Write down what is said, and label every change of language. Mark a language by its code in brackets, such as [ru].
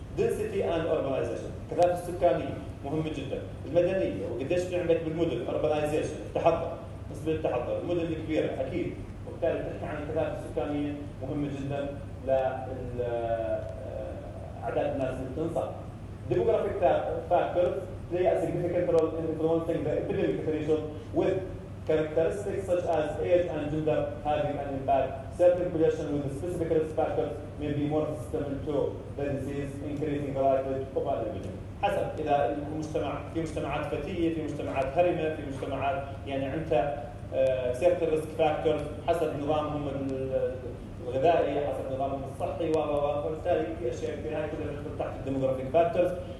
[en] Density and urbanization. [ar] كثافة السكانية مهمة جدا. المدنية وقديش في عندك بالمدن. Urbanization. التحضر. نسبة التحضر. المدن الكبيرة أكيد. وبالتالي تحكي عن الكثافة السكانية مهمة جدا لعدد الناس اللي بتنصاب. [en] Demographic factors play a significant role in influencing the epidemic threshold with characteristics such as age and gender having an impact. Certain populations with specific risk factors may be more susceptible to the disease, increasing the likelihood of an epidemic. [ar] حسب إذا المجتمع في مجتمعات فتية, في مجتمعات هرمة, في مجتمعات يعني عندها [en] certain risk factors [ar] حسب نظامهم الغذائي, حسب نظامهم الصحي وبالتالي في أشياء في هاي كلها تدخل تحت الديموغرافيك فاكتورز.